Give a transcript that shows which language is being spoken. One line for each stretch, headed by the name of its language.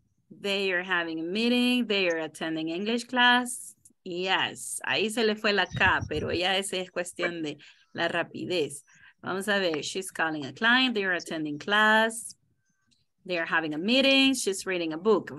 English: They are having a meeting, they are attending English class. Yes,
Spanish: ahí se le fue la K, pero ya esa es cuestión de la rapidez. Vamos a ver,
English: she's calling a client, they are attending class. They are having a meeting, she's reading a book.